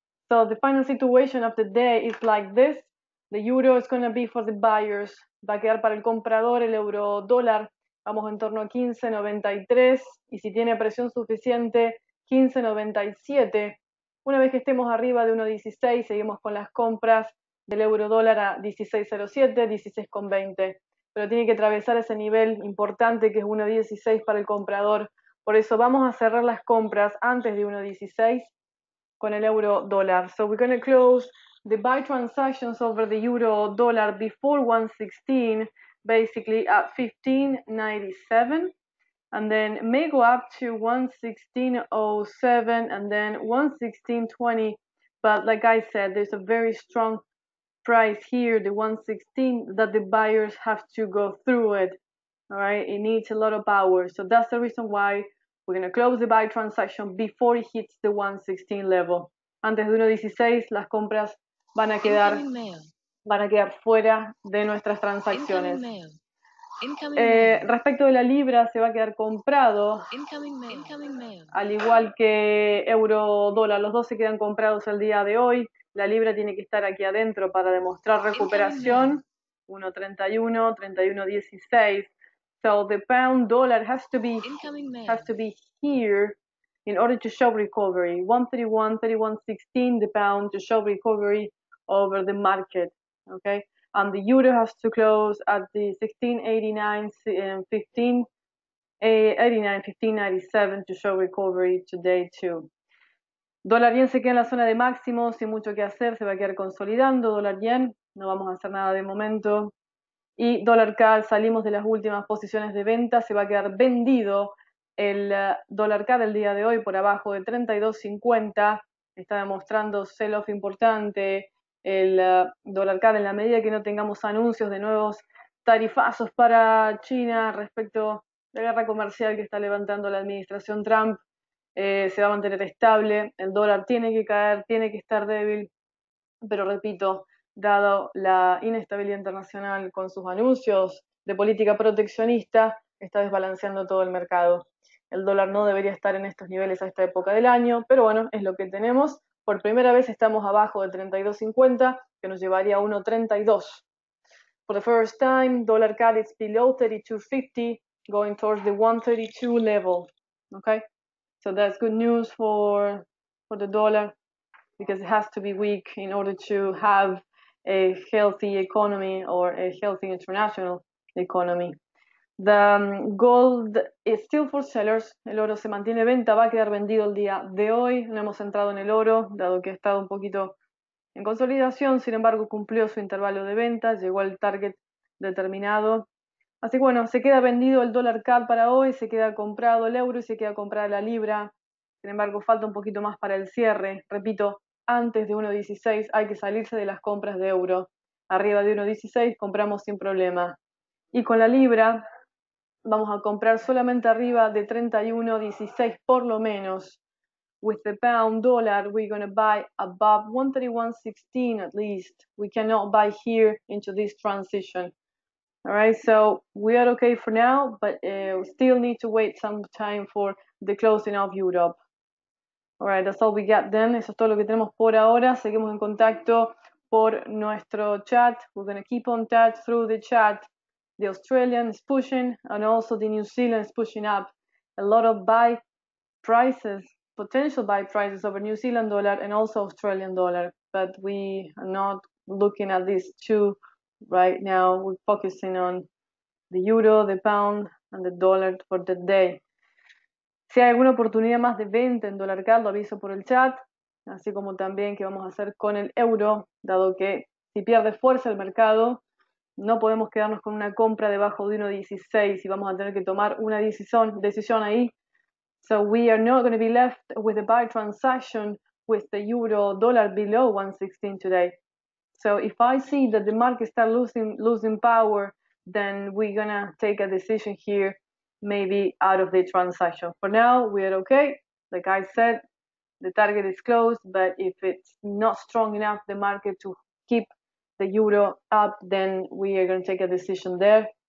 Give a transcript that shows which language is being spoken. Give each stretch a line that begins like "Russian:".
English: So the final situation of the day is like this. The euro is going to be for the buyers.
Spanish: Va a quedar para el comprador el euro dólar. Vamos en torno a 15.93. Y si tiene presión suficiente, 15.97. Una vez que estemos arriba de 1.16, seguimos con las compras del euro dólar a 16.07, 16.20. Pero tiene que atravesar ese nivel importante que es 1.16 para el comprador. Por eso vamos a cerrar las compras antes de 1.16 con el euro dólar.
English: So we're going to close the buy transactions over the euro dólar before 1.16, basically at 15.97. And then may go up to 1.16.07 and then 1.16.20. But like I said, there's a very strong price here, the 1.16, that the buyers have to go through it. All right, it needs a lot of power. So that's the reason why we're going to close the buy transaction before it hits the 1.16 level.
Spanish: Antes de 1.16, las compras van a quedar fuera de nuestras transacciones. Respecto de la libra, se va a quedar comprado, al igual que euro dólar. Los dos se quedan comprados el día de hoy. La libra tiene que estar aquí adentro para demostrar recuperación.
English: 1.31, 31.16. So the pound dólar has to be here in order to show recovery. 1.31, 31.16, the pound to show recovery over the market. Okay. And the euro has to close at the 1589, 1597 to show recovery today too.
Spanish: Dólar yen se queda en la zona de máximo, sin mucho que hacer, se va a quedar consolidando. Dólar yen, no vamos a hacer nada de momento. Y dólar CAD, salimos de las últimas posiciones de venta, se va a quedar vendido el dólar CAD del día de hoy por abajo de 32.50. Está demostrando sell-off importante. El dólar CAD, en la medida que no tengamos anuncios de nuevos tarifazos para China respecto a la guerra comercial que está levantando la administración Trump, se va a mantener estable. El dólar tiene que caer, tiene que estar débil, pero repito, dado la inestabilidad internacional con sus anuncios de política proteccionista, está desbalanceando todo el mercado. El dólar no debería estar en estos niveles a esta época del año, pero bueno, es lo que tenemos. Por primera vez estamos abajo de 32.50, que nos llevaría a 1.32.
English: For the first time, dollar CAD is below 32.50, going towards the 1.32 level. Okay? So that's good news for the dollar, because it has to be weak in order to have a healthy economy or a healthy international economy. The gold is still for sellers.
Spanish: El oro se mantiene venta, va a quedar vendido el día de hoy. No hemos entrado en el oro, dado que ha estado un poquito en consolidación. Sin embargo, cumplió su intervalo de venta, llegó al target determinado. Así que bueno, se queda vendido el dólar CAD para hoy, se queda comprado el euro y se queda comprada la libra. Sin embargo, falta un poquito más para el cierre. Repito, antes de 1.16 hay que salirse de las compras de euro. Arriba de 1.16 compramos sin problema. Y con la libra vamos a comprar solamente arriba de 31.16 por lo menos.
English: With the pound dollar, we're going to buy above 1.31.16 at least. We cannot buy here into this transition. All right, so we are okay for now, but we still need to wait some time for the closing of Europe. All right, that's all we got then.
Spanish: Eso es todo lo que tenemos por ahora. Seguimos en contacto por nuestro chat.
English: We're going to keep on chat through the chat. The Australian is pushing and also the New Zealand is pushing up. A lot of buy prices, potential buy prices over New Zealand dollar and also Australian dollar. But we are not looking at these two right now. We're focusing on the euro, the pound and the dollar for the day.
Spanish: Si hay alguna oportunidad más de venta en dólar CAD, lo aviso por el chat. Así como también qué vamos a hacer con el euro, dado que si pierde fuerza el mercado, no podemos quedarnos con una compra debajo de 1.16 y vamos a tener que tomar una decisión ahí.
English: So we are not going to be left with a buy transaction with the euro dollar below 1.16 today. So if I see that the market starts losing power, then we're going to take a decision here, maybe out of the transaction. For now, we are okay. Like I said, the target is closed, but if it's not strong enough, the market to keep the euro up, then we are going to take a decision there.